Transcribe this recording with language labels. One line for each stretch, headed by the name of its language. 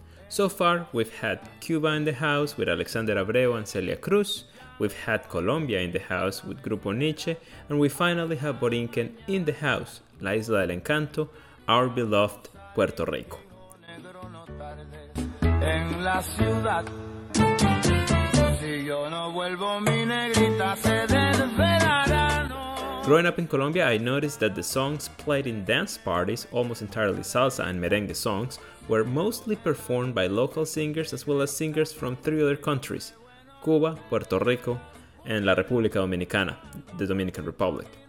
English: So far, we've had Cuba in the house with Alexander Abreu and Celia Cruz, we've had Colombia in the house with Grupo Niche, and we finally have Borinquen in the house, La Isla del Encanto, our beloved Puerto Rico.
Spanish: En la ciudad, si yo no vuelvo, mi negrita se desvelará.
English: Growing up in Colombia, I noticed that the songs played in dance parties, almost entirely salsa and merengue songs, were mostly performed by local singers as well as singers from three other countries, Cuba, Puerto Rico, and La República Dominicana, the Dominican Republic.